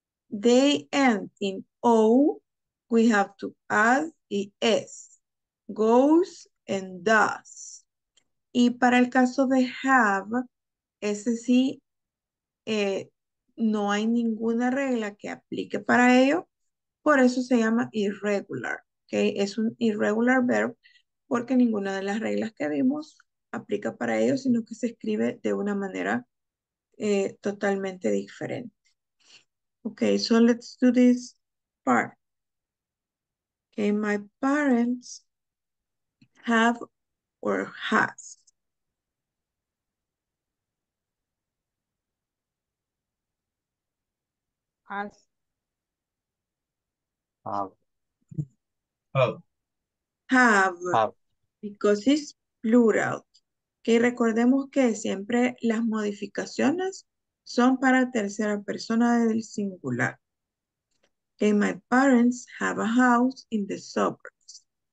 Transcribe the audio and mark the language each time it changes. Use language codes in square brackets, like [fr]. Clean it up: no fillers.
[en] they end in O, we have to add ES, goes and does. [es] Y para el caso de have, ese sí, no hay ninguna regla que aplique para ello, por eso se llama irregular, okay? Es un [en] irregular verb [es] porque ninguna de las reglas que vimos aplica para ello, sino que se escribe de una manera totalmente diferente. [en] Okay, so let's do this part. Okay, my parents have or has. Have. Because it's plural. [es] Que recordemos que siempre las modificaciones son para tercera persona del singular. [en] Okay, my parents have a house in the suburbs.